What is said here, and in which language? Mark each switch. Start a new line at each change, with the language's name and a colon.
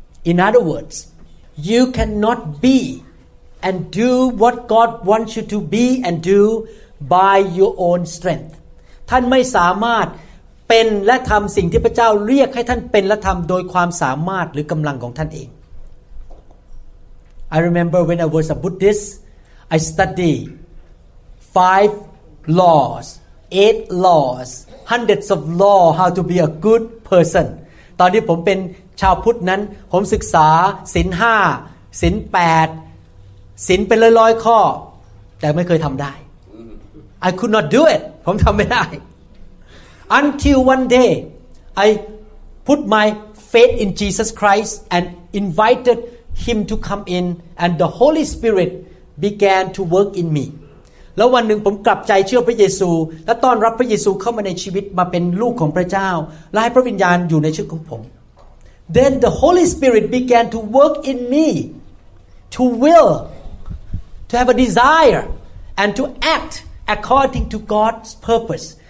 English: in other words you cannot be and do what God wants you to be and do by your own strength
Thai: ท่านไม่สามารถเป็นและทำสิ่งที่พระเจ้าเรียกให้ท่านเป็นและทำโดยความสามารถหรือกำลังของท่านเอง
English: I remember when I was a Buddhist, I studied 5 laws, 8 laws, hundreds of laws how to be a good person.
Thai: ตอนที่ผมเป็นชาวพุทธนั้นผมศึกษาศีล5ศีล8ศีลเป็นร้อยๆข้อแต่ไม่เคยทำได้
English: I could not do it.
Thai: ผมทำไม่ได้
English: Until one day, I put my faith in Jesus Christ and invitedHim to come in, and the Holy Spirit began to work in me.
Thai: แล้ววันหนึ่งผมกลับใจเชื่อพระเยซูและต้อนรับพระเยซูเข้ามาในชีวิตมาเป็นลูกของพระเจ้าและให้พระวิญญาณอยู่ในชีวิตของผม
English: Then the Holy Spirit began to work in me, to will, to have a desire, and to act according to God's purpose.